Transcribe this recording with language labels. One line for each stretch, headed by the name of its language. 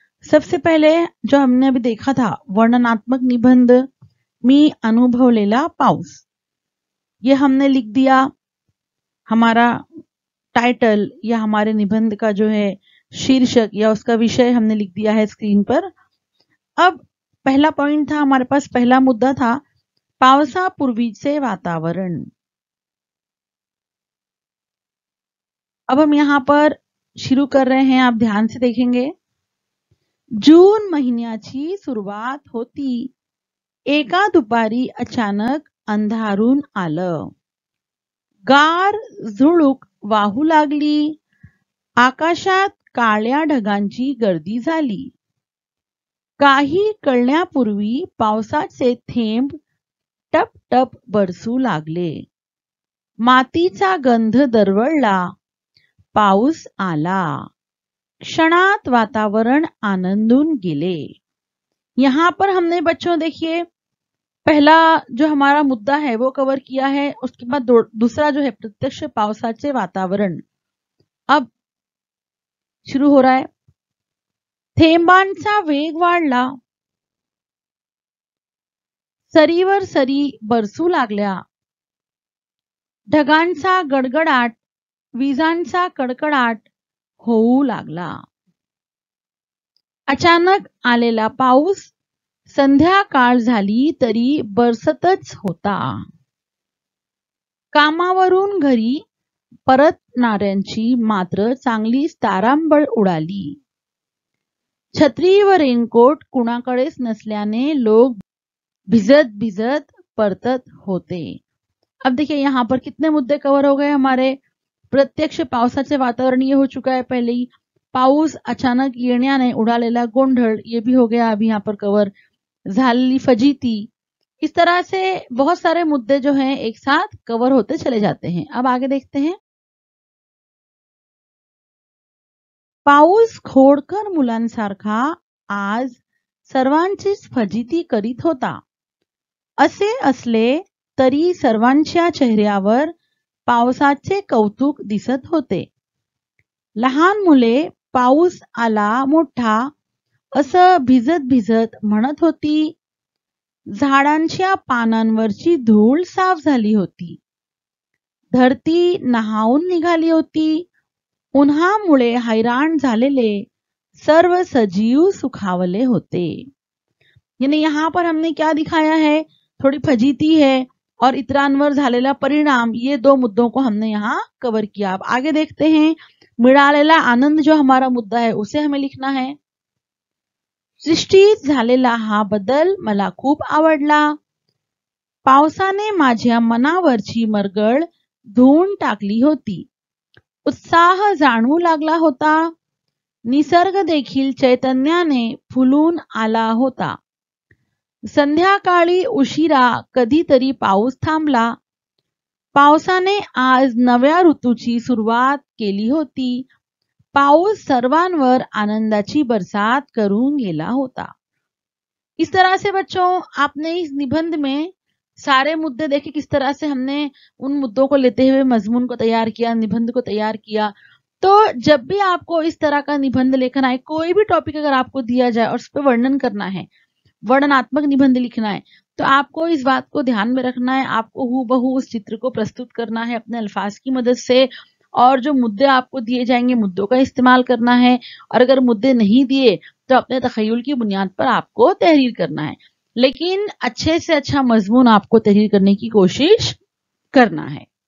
Hindi: सबसे पहले जो हमने अभी देखा था, वर्णनात्मक निबंध,
Marathi: मी अनुभव लेला पाउस,
Hindi: ये हमने लिख दिया हमारा टाइटल या हमारे निबंध का जो है शीर्षक या उसका विषय हमने लिख दिया है स्क्रीन पर। अब पहला पॉइंट था हमारे पास, पहला मुद्दा था
Marathi: पावसा पूर्वी से वातावरण।
Hindi: अब हम यहां पर शुरू कर रहे हैं, आप ध्यान से देखेंगे।
Marathi: जून महीन्याची सुरुवात होती, एका दुपारी अचानक अंधारून आलं, गार झुळूक वाहू लागली, आकाशात काळ्या ढगांची गर्दी झाली, काही कळण्यापूर्वी पावसाचे थेंब टप टप बरसू लागले, मातीचा गंध दरवळला, पाऊस आला, क्षणात वातावरण आनंदून गेले।
Hindi: यहां पर हमने बच्चों देखिए, पहला जो हमारा मुद्दा है वो कवर किया है, उसके बाद दूसरा जो है
Marathi: प्रत्यक्ष पावसाचे वातावरण
Hindi: अब शुरू हो रहा है।
Marathi: थेंबांचा वेग वाढला, सरीवर सरी बरसू लागल्या, ढगांचा गडगडाट, विजांचा कडकडाट होऊ लागला, अचानक आलेला पाऊस संध्याकाळ झाली तरी बरसतच होता, कामावरून घरी परतणाऱ्यांची मात्र चांगली तारांबळ उडाली, छत्री व रेनकोट कुणाकडेच नसल्याने लोग भिजत भिजत परतत होते।
Hindi: अब देखिए यहाँ पर कितने मुद्दे कवर हो गए हमारे।
Marathi: प्रत्यक्ष पावसाचे वातावरण
Hindi: ये हो चुका है पहले ही,
Marathi: पाऊस अचानक येण्याने उडालेला गोंधळ
Hindi: ये भी हो गया अभी यहाँ पर कवर,
Marathi: झालेली फजीती,
Hindi: इस तरह से बहुत सारे मुद्दे जो हैं एक साथ कवर होते चले जाते हैं। अब आगे देखते हैं,
Marathi: पाऊस खोडकर मुलांसारखा आज सर्वांची फजीती करीत होता, असे असले तरी सर्वांच्या चेहऱ्यावर पावसाचे कौतुक दिसत होते। लहान मुले पाऊस आला मोठा असं भिजत भिजत म्हणत होती, झाडांच्या पानांवरची धूळ साफ झाली होती, धरती नहाऊन निघाली होती, उन्हामुळे हैराण झालेले सर्व सजीव सुखावले होते।
Hindi: यानी यहाँ पर हमने क्या दिखाया है, थोड़ी फजीती है और
Marathi: इतरांवर झालेला परिणाम,
Hindi: ये दो मुद्दों को हमने यहाँ कवर किया। अब आगे देखते हैं,
Marathi: मिळालेला आनंद
Hindi: जो हमारा मुद्दा है उसे हमें लिखना है।
Marathi: सृष्टीत झालेला हा बदल मला खूप आवडला, पावसाने माझ्या मनावरची मरगळ धुऊन टाकली होती, उत्साह जाणू लागला होता, निसर्ग देखील चैतन्याने फुलून आला होता, संध्याकाळी उशिरा कधीतरी पाऊस थांबला, पावसाने आज नव्या ऋतूची सुरुवात केली होती, पाऊस सर्वांवर आनंदाची बरसात करून गेला होता।
Hindi: इस तरह से बच्चों आपने इस निबंध में सारे मुद्दे देखे, किस तरह से हमने उन मुद्दों को लेते हुए मजमून को तैयार किया, निबंध को तैयार किया। तो जब भी आपको इस तरह का निबंध लेखन आए, कोई भी टॉपिक अगर आपको दिया जाए और उस पर वर्णन करना है, वर्णनात्मक निबंध लिखना है, तो आपको इस बात को ध्यान में रखना है, आपको हूबहू उस चित्र को प्रस्तुत करना है अपने अल्फाज की मदद से, और जो मुद्दे आपको दिए जाएंगे मुद्दों का इस्तेमाल करना है, और अगर मुद्दे नहीं दिए तो अपने तखयल की बुनियाद पर आपको तहरीर करना है, लेकिन अच्छे से अच्छा मजमून आपको तहरीर करने की कोशिश करना है।